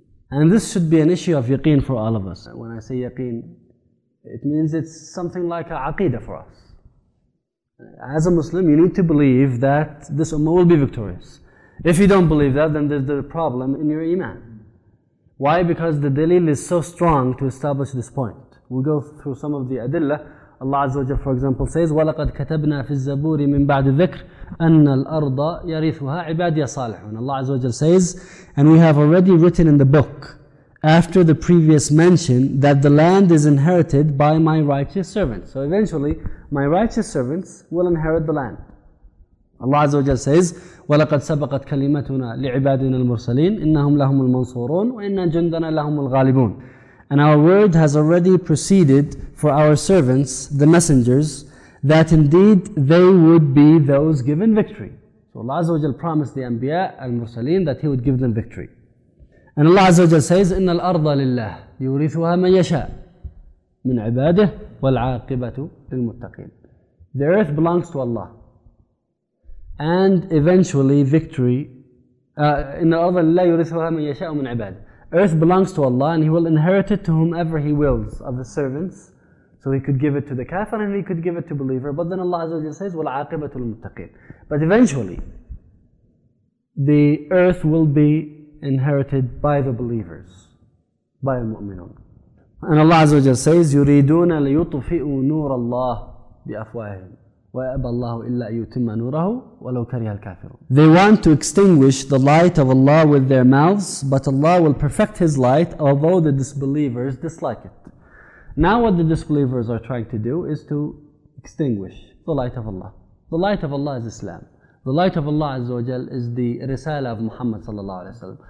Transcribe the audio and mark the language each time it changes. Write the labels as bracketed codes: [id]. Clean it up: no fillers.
[en] And this should be an issue of yaqeen for all of us. When I say yaqeen, it means it's something like a aqidah for us. As a Muslim, you need to believe that this Ummah will be victorious. If you don't believe that, then there's a problem in your iman. Why? Because the dalil is so strong to establish this point. We'll go through some of the adillah. Allah Azza wa Jalla, for example, says, [ar] وَلَقَدْ كَتَبْنَا فِي الزَّبُورِ مِنْ بَعْدِ ذِكْرِ أَنَّ الْأَرْضَ يَرِثُهَا عِبَادِيَ صَالِحُونَ. [en] Allah Azza wa Jalla says, and we have already written in the book, after the previous mention, that the land is inherited by my righteous servants. So eventually, my righteous servants will inherit the land. Allah Azza wa Jalla says, [ar] وَلَقَدْ سَبَقَتْ كَلِمَتُنَا لِعِبَادِنَا الْمُرْسَلِينَ إِنَّهُمْ لَهُمُ الْمَنْصُورُونَ وَإِنَّ جُنْدَنَا لَهُمُ الْغَالِبُونَ. [en] And our word has already proceeded for our servants, the messengers, that indeed they would be those given victory. So Allah Azza wa Jalla promised the Anbiya, al-Mursaleen, that He would give them victory. And Allah Azza wa Jalla says, [ar] إِنَّ الْأَرْضَ لِلَّهِ يُورِثُهَا مَنْ يَشَاءُ مِنْ عِبَادِهِ وَالْعَاقِبَةُ لِلْمُتَّقِينَ. [en] The earth belongs to Allah. And eventually victory, [ar] إِنَّ الْأَرْضَ لِلَّهِ يُورِثُهَا مَنْ يَشَاءُ مِنْ عِبَادِهِ. [en] Earth belongs to Allah and He will inherit it to whomever He wills of His servants. So He could give it to the kafir and He could give it to believer. But then Allah Azza wa Jalla says, [ar] وَالْعَاقِبَةُ لِلْمُتَّقِينَ. [en] But eventually, the earth will be inherited by the believers, by المؤمنون. And Allah Azza wa Jalla says, [ar] يُرِيدُونَ لِيُطْفِئُوا نُورَ اللَّهِ بِأَفْوَاهِهِمْ وَيَأَبَى اللَّهُ إِلَّا أَيُّتِمَّ نُورَهُ وَلَوْ كَرِهَ الْكَافِرُونَ. [en] They want to extinguish the light of Allah with their mouths, but Allah will perfect His light, although the disbelievers dislike it. Now what the disbelievers are trying to do is to extinguish the light of Allah. The light of Allah is Islam. The light of Allah Azza wa Jal is the Risala of Muhammad Sallallahu Alaihi Wasallam.